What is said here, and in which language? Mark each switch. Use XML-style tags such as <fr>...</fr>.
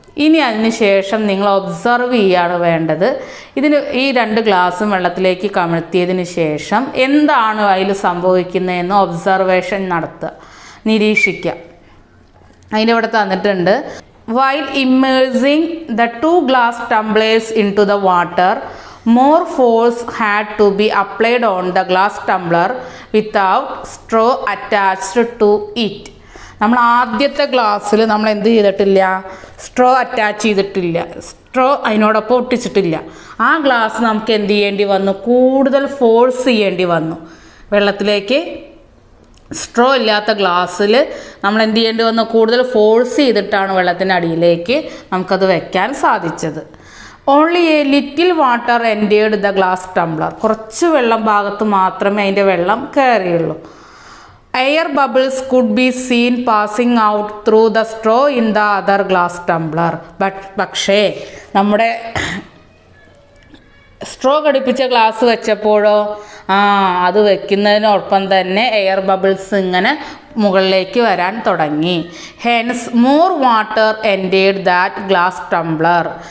<ml>ഇനി അതിനുശേഷം നിങ്ങൾ ഒബ്സർവ് ചെയ്യുകയാണ് വേണ്ടത്, ഇതിന് ഈ രണ്ട് ഗ്ലാസ്സും വെള്ളത്തിലേക്ക് കമഴ്ത്തിയതിന് ശേഷം എന്താണ് അതിൽ സംഭവിക്കുന്നതെന്ന് ഒബ്സർവേഷൻ നടത്തുക, നിരീക്ഷിക്കുക.</ml> <en>അതിനിവിടെ തന്നിട്ടുണ്ട് while immersing the two glass tumblers into the water More force had to be applied on the glass tumbler without straw attached to it.</en> <ml>നമ്മൾ ആദ്യത്തെ ഗ്ലാസ്സിൽ നമ്മൾ എന്ത് ചെയ്തിട്ടില്ല, സ്ട്രോ അറ്റാച്ച് ചെയ്തിട്ടില്ല, സ്ട്രോ അതിനോടൊപ്പം ഒട്ടിച്ചിട്ടില്ല. ആ ഗ്ലാസ് നമുക്ക് എന്ത് ചെയ്യേണ്ടി വന്നു, കൂടുതൽ ഫോഴ്സ് ചെയ്യേണ്ടി വന്നു വെള്ളത്തിലേക്ക്. സ്ട്രോ ഇല്ലാത്ത ഗ്ലാസ്സിൽ നമ്മൾ എന്ത് ചെയ്യേണ്ടി വന്നു, കൂടുതൽ ഫോഴ്സ് ചെയ്തിട്ടാണ് വെള്ളത്തിൻ്റെ അടിയിലേക്ക് നമുക്കത് വയ്ക്കാൻ സാധിച്ചത്.</ml> <en>Only a little water entered the glass tumbler.</en> <ml>കുറച്ച് വെള്ളം ഭാഗത്ത് മാത്രമേ അതിൻ്റെ വെള്ളം കയറിയുള്ളൂ.</ml> <en>Air bubbles could be seen passing out through the straw in the other glass tumbler.</en> <ml>പക്ഷേ നമ്മുടെ സ്ട്രോ ഘടിപ്പിച്ച ഗ്ലാസ് വെച്ചപ്പോഴോ അത് വെക്കുന്നതിനോടൊപ്പം തന്നെ എയർ ബബിൾസ് ഇങ്ങനെ മുകളിലേക്ക് വരാൻ തുടങ്ങി.</ml> <en>Hence more water entered that glass tumbler.</en>